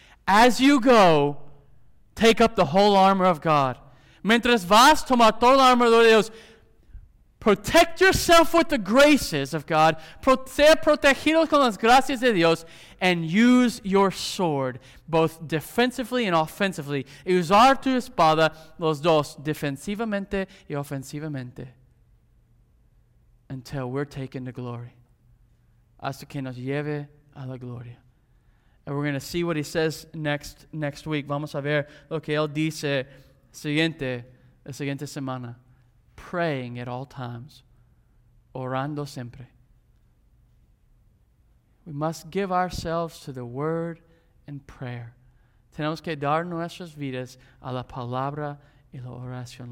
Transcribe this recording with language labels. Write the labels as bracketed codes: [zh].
[en] As you go, take up the whole armor of God. [es] Mientras vas, toma toda la armadura de Dios. [en] Protect yourself with the graces of God. [es] Sea protegido con las gracias de Dios. [en] And use your sword, both defensively and offensively. [es] Y usar tu espada, los dos, defensivamente y ofensivamente. [en] Until we're taken to glory. [es] Hasta que nos lleve a la gloria. [en] And we're going to see what he says next week. [es] Vamos a ver lo que él dice la siguiente semana. [en] Praying at all times, [es] orando siempre. [en] We must give ourselves to the word and prayer. [es] Tenemos que dar nuestras vidas a la palabra y la oración.